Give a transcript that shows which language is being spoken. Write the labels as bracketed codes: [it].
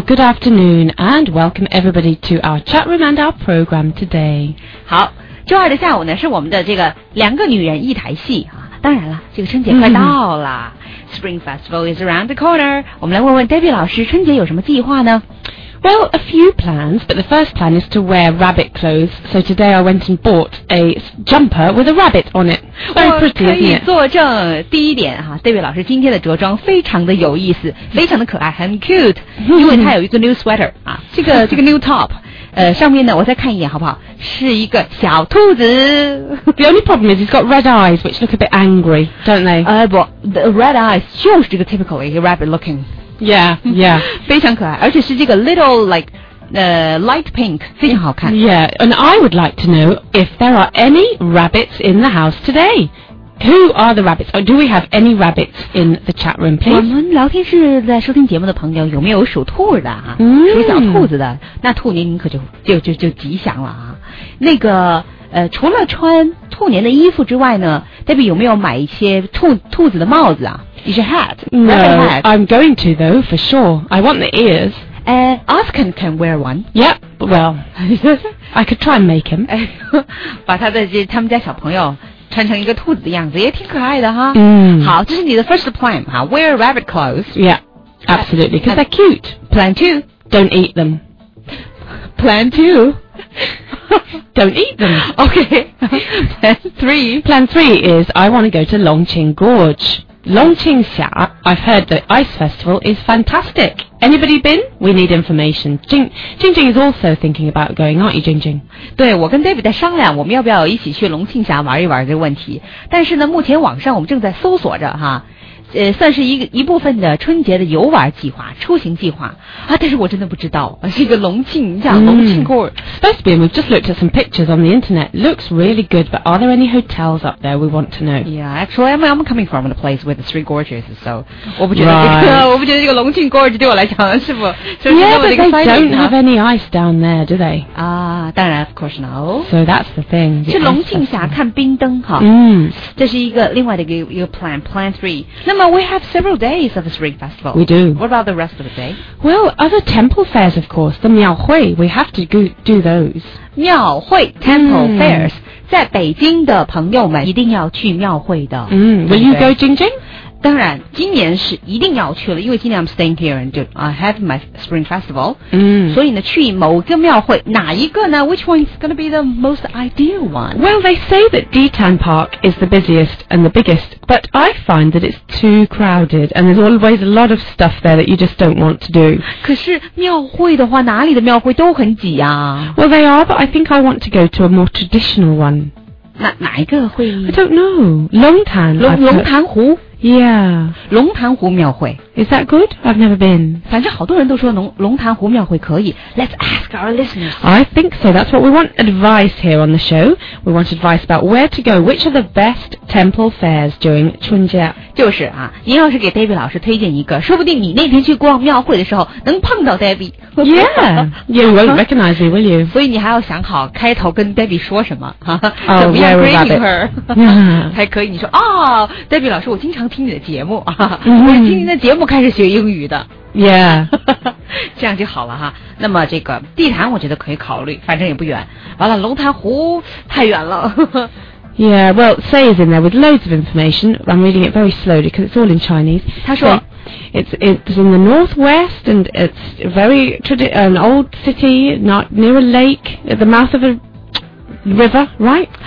[en] Good afternoon, and welcome everybody to our chat room and our program today. [zh] 好。周二的下午呢，是我们的这个两个女人一台戏啊。当然了，这个春节快到了、 [en] Spring Festival is around the corner. [zh] 我们来问问 Debbie 老师，春节有什么计划呢？ [en] Well, a few plans, but the first plan is to wear rabbit clothes. So today I went and bought a jumper with a rabbit on it. Very pretty, isn't it? [zh] 我可以作证，第一点哈 ，David 老师今天的着装非常的有意思，非常的可爱，很 cute. 因为他有一个 [en] new sweater [zh] 啊，这个 new top， 上面呢，我再看一眼好不好？是一个小兔子。 [en] The only problem is he's got red eyes, which look a bit angry, don't they? 不 ，the red eyes [zh] 就是这个 [en] typical rabbit looking. Yeah. [zh] 非常可爱，而且是这个 [en] little like, light pink, [zh] 非常好看。 [en] Yeah, and I would like to know if there are any rabbits in the house today. Who are the rabbits? Or do we have any rabbits in the chat room, please? [zh] 我们聊天室在收听节目的朋友有没有属兔的啊？属小兔子的，那兔年您可就吉祥了啊。那个除了穿兔年的衣服之外呢 ，Debbie 有没有买一些兔子的帽子啊？ [en] Is your hat? No, I'm going to though, for sure. I want the ears. Oscar can wear one. Yep, well, I could try and make him. [zh] 把他们家小朋友穿成一个兔子的样子，也挺可爱的哈。好，这是你的 [en] first plan, huh? Wear rabbit clothes. Yeah, absolutely, because they're cute. Plan two. Don't eat them. Plan two. Don't eat them. Okay. Plan three is I want to go to Longqing Gorge. Longqing Xia, I've heard the ice festival is fantastic. Anybody been? We need information. Jingjing is also thinking about going, aren't you, Jingjing? [zh] 对，我跟 David 在商量，我们要不要一起去龙庆峡玩一玩这个问题。但是呢，目前网上我们正在搜索着哈，算是一部分的春节的游玩计划、出行计划啊。但是我真的不知道这个龙庆，你想龙庆过。 [en] Supposed to be, we've just looked at some pictures on the internet. Looks really good, but are there any hotels up there? We want to know. Yeah, actually, I'm coming from a place with the three gorges, so [zh] 我不觉得这个、 [en] right. [zh] 我不觉得这个龙庆 gorge 对我来讲是不是 [en] ？Yeah, but they don't have any ice down there, do they? [zh] 啊，当然 [en] ，of course no. So that's the thing. [zh] 去龙庆峡看冰灯哈。这是一个另外的一个 [en] plan. Plan three. [zh] 那么 [en] we have several days of the Spring Festival. We do. What about the rest of the day? Well, other temple fairs, of course. The Miao Hui. We have to do those. [zh] 庙会 temple fairs 在北京的朋友们一定要去庙会的。 [en] Will you go, Jingjing? [zh] 当然，今年是一定要去了，因为今年 [en] I'm staying here and I have my spring festival. [zh] 所以呢，去某个庙会，哪一个呢 [en] ？Which one is going to be the most ideal one? Well, they say that Ditan Park is the busiest and the biggest, but I find that it's too crowded and there's always a lot of stuff there that you just don't want to do. [zh] 可是庙会的话，哪里的庙会都很挤啊。 [en] Well, they are. I think I want to go to a more traditional one. [zh] 哪一个会？ [en] I don't know. [zh] 龙潭。龙潭湖。 [en] Yeah. [zh] 龙潭湖庙会。 [en] Is that good? I've never been. [zh] 反正好多人都说龙潭湖庙会可以。 [en] Let's ask our listeners. I think so. That's what we want advice here on the show. We want advice about where to go. Which are the best temple fairs during 春节？ [zh] 就是啊，您要是给 David 老师推荐一个，说不定你那天去逛庙会的时候能碰到 David. [en] Yeah. You won't recognize me, will you? [zh] 所以你还要想好开头跟 David 说什么。 [en] Oh, yeah, we're a rabbit. [zh] 还可以，你说哦 David 老师，我经常听你的节目啊，我是听您的节目。节目开始学英语的 [en] ，Yeah， [zh] 这样就好了哈。那么这个地坛我觉得可以考虑，反正也不远。完了，龙潭湖太远了。 [en] Yeah, well, Say is in there with loads of information. I'm reading it very slowly because it's all in Chinese. [zh] 他说 [en] it's in the northwest and it's very an old city, not near a lake at the mouth of a river, right?